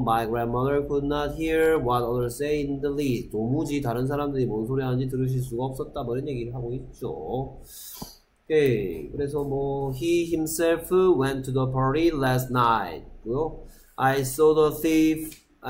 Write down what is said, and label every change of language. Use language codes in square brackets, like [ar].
[en] My grandmother could not hear what others say in the list. [ko] 도무지 다른 사람들이 뭔 소리 하는지 들으실 수가 없었다. 뭐 이런 얘기를 하고 있죠. 오케이. 그래서 뭐 [en] he himself went to the party last night. [ko] 그리고 [en] I saw the thief